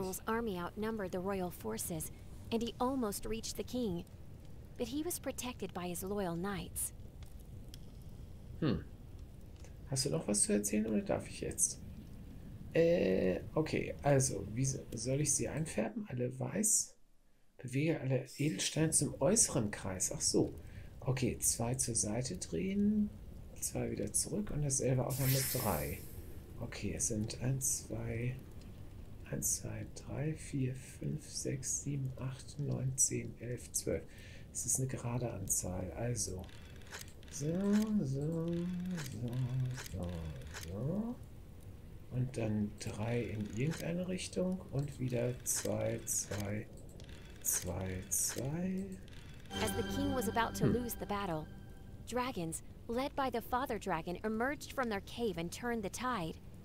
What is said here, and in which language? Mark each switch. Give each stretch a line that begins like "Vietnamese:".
English: Nesul's army outnumbered the royal forces, and he almost reached the king. But he was protected by his loyal knights.
German: Hast du noch was zu erzählen oder darf ich jetzt? Okay, also, wie soll ich sie einfärben? Alle weiß? Bewege alle Edelsteine zum äußeren Kreis. Ach so. Okay, zwei zur Seite drehen, zwei wieder zurück und dasselbe auch noch mit drei. Okay, es sind 1, 2, 3, 4, 5, 6, 7, 8, 9, 10, 11, 12. Es ist eine gerade Anzahl, also. So. Und dann drei in irgendeine Richtung und wieder 2, 2, 2, 2.
English: As the king was about to lose the battle, dragons, led by the father dragon, emerged from their cave and turned the tide.